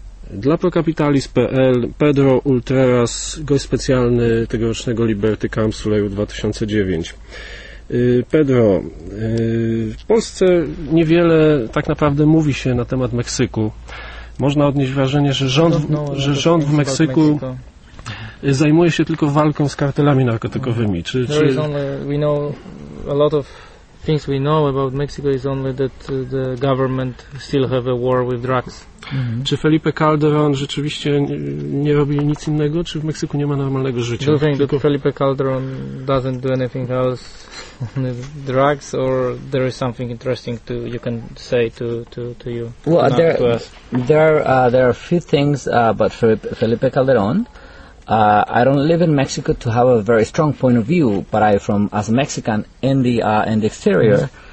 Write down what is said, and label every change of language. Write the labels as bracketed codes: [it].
[pl] Dla ProCapitalis.pl Pedro Ultreras, gość specjalny tegorocznego Liberty Council EU 2009. Pedro, w Polsce niewiele tak naprawdę mówi się na temat Meksyku. Można odnieść wrażenie, że rząd w Meksyku zajmuje się tylko walką z kartelami narkotykowymi. [en] Czy we know a lot of things we know about Mexico is only that the government still have a war with drugs. Mm-hmm. [pl] Czy Felipe Calderon rzeczywiście nie robi nic innego, czy w Meksyku nie ma normalnego życia? [en] Do you think that Felipe Calderon doesn't do anything else on the drugs, or there is something interesting to you can say to you? Well, there are a few things about Felipe Calderon. I don't live in Mexico to have a very strong point of view, but I from as a Mexican in the exterior.